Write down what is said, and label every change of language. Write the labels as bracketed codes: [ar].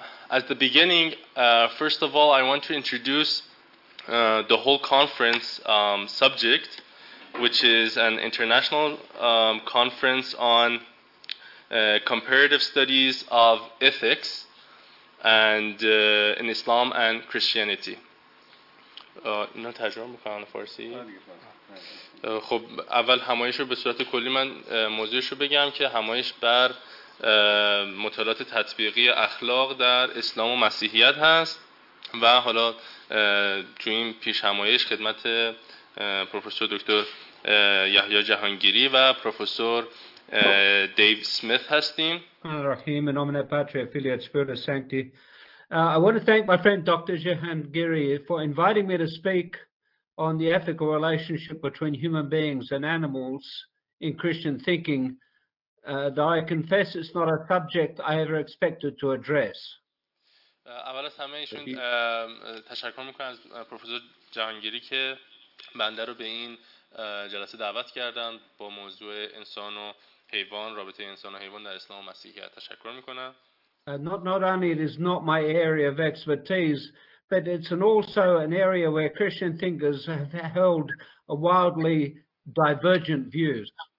[en] At the beginning, first of all, I want to introduce the whole conference subject, which is an international conference on comparative studies of ethics and in Islam and Christianity. [fa] اینو تجربه میکنم فارسی. خب اول همایش رو به صورت کلی من موضوعش رو بگم که همایش بر مطالعات تطبیقی اخلاق در اسلام و مسیحیت هست و حالا توی این پیش همایش خدمت پروفسور دکتر یحیی جهانگیری و پروفسور [en] Dave Smith has been. I want to thank my friend Dr. Jahangiri for inviting me to speak on the ethical relationship between human beings and animals in Christian thinking, though I confess it's not a subject I ever expected to address. [fa] اول از همه ایشون تشکر میکنم از پروفسور جهانگیری که بنده رو به این جلسه دعوت کردن با موضوع انسان و حیوان، رابطه انسان و حیوان در اسلام و مسیحیت. تشکر میکنم. [en] Not only it is not my area of expertise, but it's also an area where Christian thinkers have held a wildly divergent views.